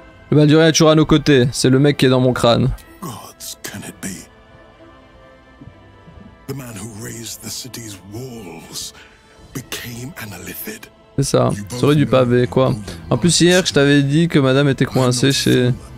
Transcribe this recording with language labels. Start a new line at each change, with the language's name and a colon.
French: Le Baldurien est toujours à nos côtés, c'est le mec qui est dans mon crâne.
English: Gods, can it be? The man who raised the city's walls became an Illithid.
French: C'est ça, serait du pavé, quoi. En plus, hier, je t'avais dit que madame était coincée chez.